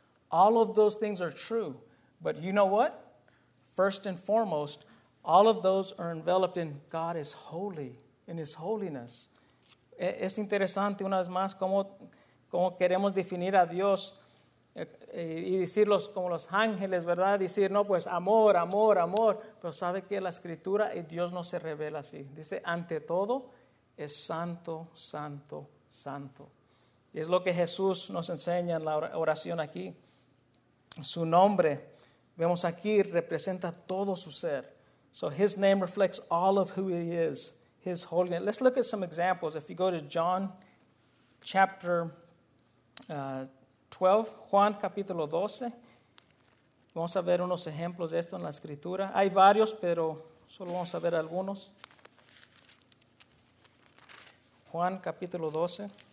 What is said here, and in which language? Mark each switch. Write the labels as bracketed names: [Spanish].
[English] All of those things are true. But you know what? First and foremost, all of those are enveloped in God is holy, in His holiness. [Spanish] Es interesante una vez más cómo queremos definir a Dios y decirlos como los ángeles, ¿verdad? Decir, no, pues amor, amor, amor. Pero sabe que la Escritura y Dios no se revela así. Dice, ante todo, es santo, santo, santo. Y es lo que Jesús nos enseña en la oración aquí. Su nombre, vemos aquí, representa todo su ser. [English] So his name reflects all of who he is. His holiness. Let's look at some examples. If you go to John chapter 12, [Spanish] Juan capítulo 12, vamos a ver unos ejemplos de esto en la escritura. Hay varios, pero solo vamos a ver algunos. Juan capítulo 12.